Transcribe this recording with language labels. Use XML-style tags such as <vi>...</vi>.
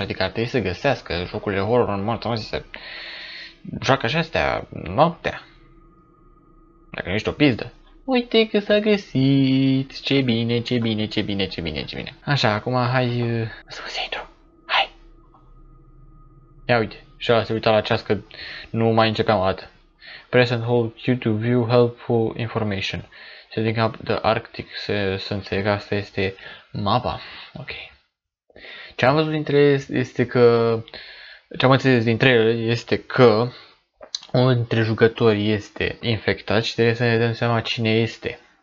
<ro>Adică ar trebui să găsească jocurile horror în mort. Am zis să... Joacă și astea noaptea. Dacă nu ești o pizdă. Uite că s-a găsit, ce bine, ce bine, ce bine, ce bine, ce bine. Așa, acum hai să vă intru. Hai! Ia uite, și ăla se uita la ceas că nu mai începeam o dată.</ro> <en>Press and hold Q to view helpful information. Setting up the Arctic,</en> <ro>să înțeleg, asta este mapa. Ok. Ce am văzut dintre este că... Ce am înțeles dintre ele este că... Unul dintre jucători este infectat și trebuie să ne dăm seama cine este.</ro>